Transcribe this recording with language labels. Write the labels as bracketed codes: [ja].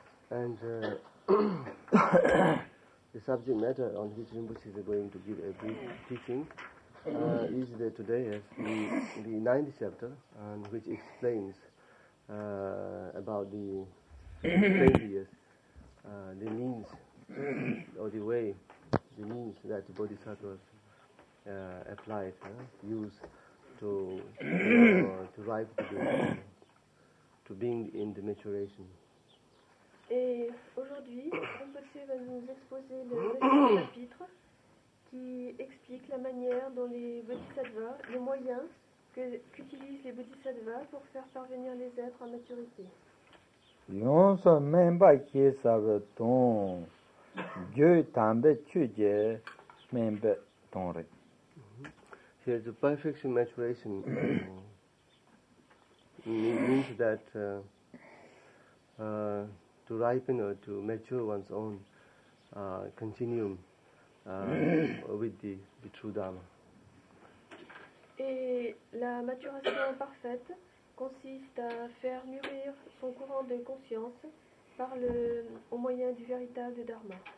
[en] And the subject matter on which Rinpoche is going to give a brief teaching is the today as the ninth chapter, and which explains about the previous the means or the way the means that the bodhisattvas applied, used to arrive to being in the maturation. [fr] Et aujourd'hui, Rinpoche va nous exposer le deuxième chapitre qui explique la manière dont les bodhisattvas, les moyens qu'utilisent les bodhisattvas pour faire parvenir les êtres à maturité. Yon sa memba ki sa veton Dieu tambe chuje memba ton re. [en] Here, the perfect maturation means that to ripen or to mature one's own continuum with the true Dharma. [fr] Et la maturation parfaite consiste à faire mûrir son courant de conscience par le au moyen du véritable Dharma.